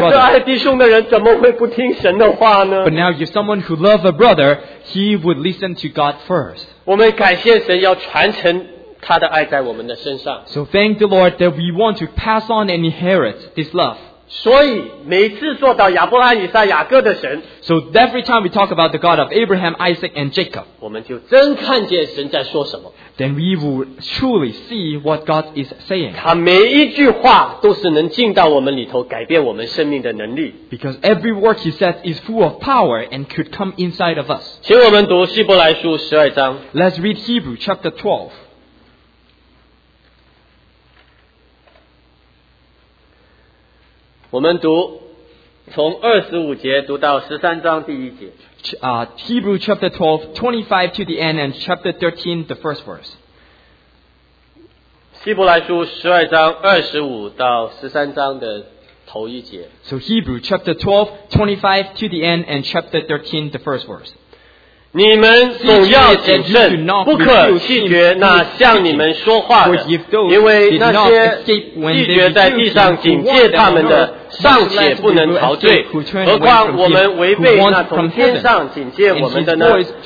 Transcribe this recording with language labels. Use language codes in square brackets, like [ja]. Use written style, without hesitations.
[zh] 但是爱弟兄的人怎么会不听神的话呢？ [en] But now, if someone who loves a brother, he would listen to God first. [zh] 我们感谢神要传承他的爱在我们的身上。 [en] So thank the Lord that we want to pass on and inherit this love. [zh] 所以每次说到亚伯拉罕、以撒、雅各的神， [en] So every time we talk about the God of Abraham, Isaac, and Jacob, [zh] 我们就真看见神在说什么。 [en] Then we will truly see what God is saying. [zh] 他每一句话都是能进到我们里头改变我们生命的能力。 [en] Because every word he says is full of power and could come inside of us. [zh] 请我们读希伯来书十二章。 [en] Let's read Hebrew chapter 12. [zh] 我们读从二十五节读到十三章第一节。 [en] Hebrew chapter 12, 25 to the end, and chapter 13, the first verse. [zh] 希伯来书十二章二十五到十三章的头一节。 [en] So Hebrew chapter 12, 25 to the end, and chapter 13, the first verse. [zh] 你们总要谨慎，不可弃绝那向你们说话的，因为那些拒绝在地上警戒他们的，尚且不能陶醉，何况我们违背那从天上警戒我们的呢？